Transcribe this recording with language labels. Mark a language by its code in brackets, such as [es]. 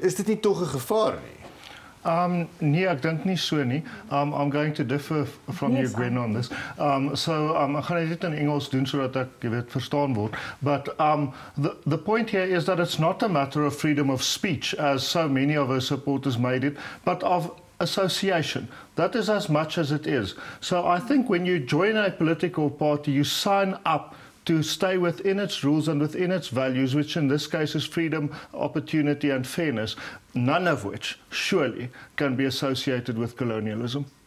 [af] Is dit nie tog 'n gevaar nie? Nee, ek dink nie so nie. [en] I'm going to differ from you, Gwen, on this. [af] Ek gaan dit in Engels doen sodat ek, jy weet, verstaan word. [en] But the point here is that it's not a matter of freedom of speech, as so many of her supporters made it, but of association. That is as much as it is. So I think when you join a political party, you sign up to stay within its rules and within its values, which in this case is freedom, opportunity and fairness, none of which surely can be associated with colonialism.